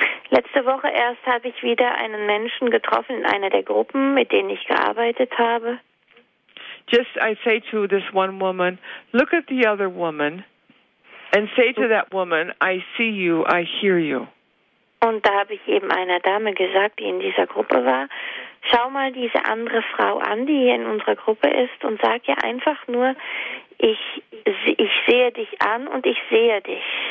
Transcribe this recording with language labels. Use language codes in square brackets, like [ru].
[de] Letzte Woche erst habe ich wieder einen Menschen getroffen in einer der Gruppen, mit denen ich gearbeitet habe. [en] Just I say to this one woman, look at the other woman. And say to that woman, I see you, I hear you. [de] Und da habe ich eben einer Dame gesagt, die in dieser Gruppe war, schau mal diese andere Frau an, die hier in unserer Gruppe ist, und sag ihr einfach nur, ich sehe dich an und ich sehe dich.